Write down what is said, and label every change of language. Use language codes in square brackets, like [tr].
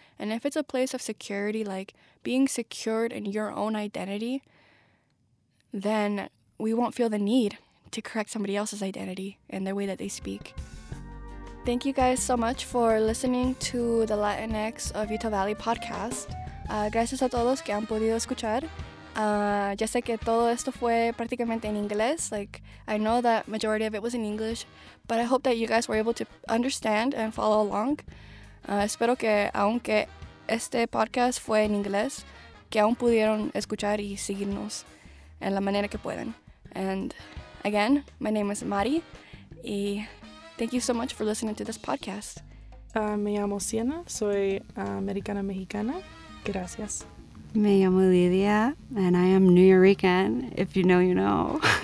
[en] And if it's a place of security, like being secured in your own identity, then we won't feel the need to correct somebody else's identity and the way that they speak. Thank you guys so much for listening to the Latinx of Utah Valley podcast. [es] Gracias a todos que han podido escuchar. Ya sé que todo esto fue prácticamente en inglés. [en] Like, I know that majority of it was in English, but I hope that you guys were able to understand and follow along. [es] Espero que aunque este podcast fue en inglés, que aún pudieron escuchar y seguirnos en la manera que pueden. [en] And again, my name is Mari, y thank you so much for listening to this podcast. [es] Me llamo Sienna, soy americana mexicana. Gracias. Me llamo Lidia, [en] and I am New Yorican. If you know, you know.